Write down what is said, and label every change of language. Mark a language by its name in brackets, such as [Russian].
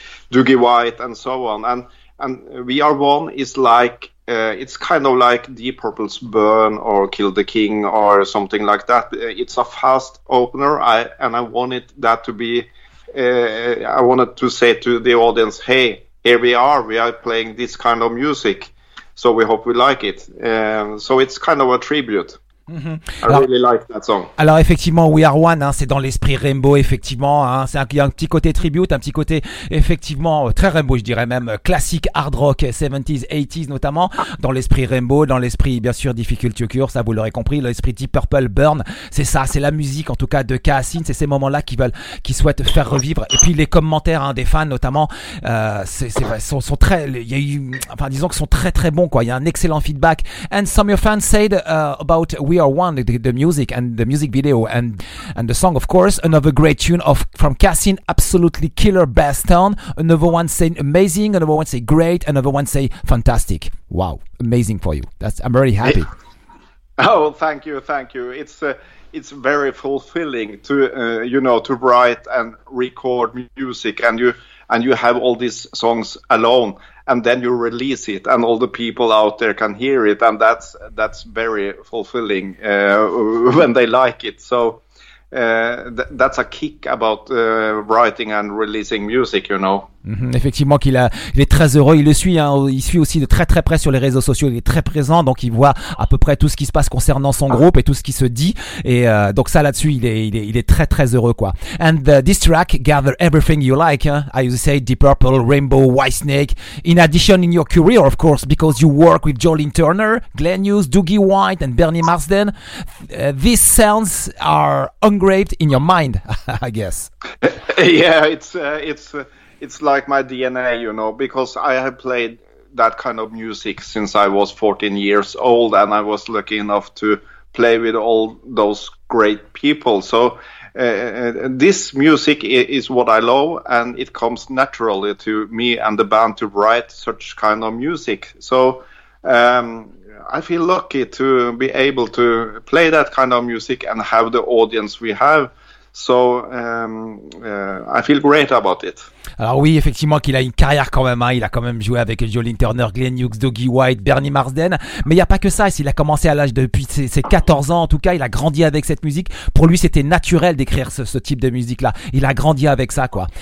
[English] Dougie White and so on, and We Are One is like it's kind of like Deep Purple's Burn or Kill the King or something like that. It's a fast opener, I wanted to say to the audience, hey, here we are playing this kind of music, so we hope we like it. So it's kind of a tribute. Mm-hmm. I really like that song. [French] Alors effectivement, We Are One, hein, c'est dans l'esprit Rainbow, effectivement. Hein, c'est un petit côté tribute, un petit côté effectivement très Rainbow, je dirais même classique hard rock 70s, 80s notamment, dans l'esprit Rainbow, dans l'esprit bien sûr Difficult to Cure, ça vous l'aurez compris, l'esprit Deep Purple, Burn, c'est ça, c'est la musique en tout cas de Cassine, c'est ces moments-là qu'ils souhaitent faire revivre. Et puis les commentaires hein, des fans notamment, sont très, il y a eu, enfin disons que sont très très bons quoi. Il y a un excellent feedback. [English] And some of your fans said about We Are One, the music and the music video and the song, of course, another great tune of from Cassine, absolutely killer bass tone. Another one saying amazing, another one say great, another one say fantastic. Wow, amazing for you. I'm very happy. Oh, thank you. It's very fulfilling to to write and record music, and you have all these songs alone, and then you release it and all the people out there can hear it, and that's very fulfilling when they like it. So that's a kick about writing and releasing music, you know. [French] Effectivement qu'il est très heureux, il le suit hein. Il suit aussi de très très près sur les réseaux sociaux, il est très présent, donc il voit à peu près tout ce qui se passe concernant son groupe et tout ce qui se dit, et donc ça là-dessus il est très très heureux quoi. [English] And this track gather everything you like, hein. I would say Deep Purple, Rainbow, Whitesnake, in addition in your career of course, because you work with Jolyn Turner, Glenn Hughes, Dougie White and Bernie Marsden. These sounds are engraved in your mind, I guess. Yeah, it's like my DNA, you know, because I have played that kind of music since I was 14 years old, and I was lucky enough to play with all those great people. So this music is what I love, and it comes naturally to me and the band to write such kind of music. So I feel lucky to be able to play that kind of music and have the audience we have. So I feel great about it. [French] Alors oui, effectivement qu'il a une carrière quand même, hein. Il a quand même joué avec Jolyn Turner, Glenn Hughes, Dougie White, Bernie Marsden. Mais il n'y a pas que ça, il a commencé à l'âge depuis ses 14 ans en tout cas, il a grandi avec cette musique. Pour lui c'était naturel d'écrire ce type de musique là, il a grandi avec ça quoi.